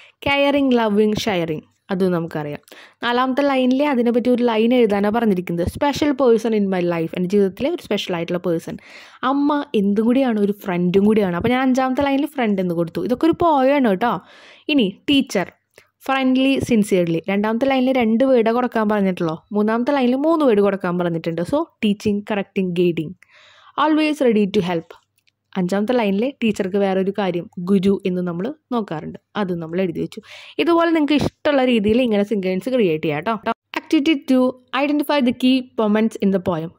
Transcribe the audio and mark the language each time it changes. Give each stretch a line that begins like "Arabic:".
Malayalam: Caring, loving, sharing, അതും നമുക്കറിയാം. നാലാമത്തെ ലൈനിലെ അതിനെപ്പറ്റി ഒരു ലൈൻ എഴുതാനാണ് പറഞ്ഞിരിക്കുന്നത്.
English: special person in my life,
Malayalam: എൻ്റെ ജീവിതത്തിലെ ഒരു സ്പെഷ്യൽ ആയിട്ടുള്ള പേഴ്സൺ. അമ്മ എന്തും കൂടിയാണ്, ഒരു ഫ്രണ്ടും കൂടിയാണ്. അപ്പോൾ ഞാൻ 5th line ഫ്രണ്ട് എന്ന് കൊടുത്തു. ഇതൊക്കെ ഒരു പോയാണ് കേട്ടോ. ഇനി teacher, friendly, sincerely. 2nd line 2 words കൊടുക്കാൻ പറഞ്ഞിട്ടുള്ളൂ. 3rd line 3 words കൊടുക്കാൻ പറഞ്ഞിട്ടുണ്ട്. So teaching, correcting, guiding.
English: Always ready to help.
Malayalam: അഞ്ചാമത്തെ ലൈനിലെ ടീച്ചർക്ക് വേറൊരു കാര്യം ഗുരു എന്ന് നമ്മൾ നോക്കാറുണ്ട്. അതും നമ്മൾ എഴുതി വെച്ചു. ഇതുപോലെ നിങ്ങൾക്ക് ഇഷ്ടമുള്ള രീതിയിൽ ഇങ്ങനെ സെന്റൻസ് ക്രിയേറ്റ് ചെയ്യാം കേട്ടോ. Activity 2,
English: Identify the key moments in the poem.